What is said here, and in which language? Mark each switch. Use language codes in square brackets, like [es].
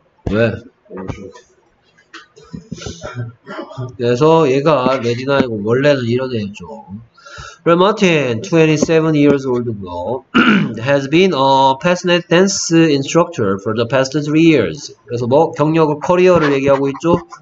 [ko] 왜? 그래서 얘가 레지나이고 원래는 이런 애였죠. [en] Martin, 27 years old, has been a passionate dance instructor for the past 3 years. [ko] 그래서 뭐 경력을 커리어를 얘기하고 있죠.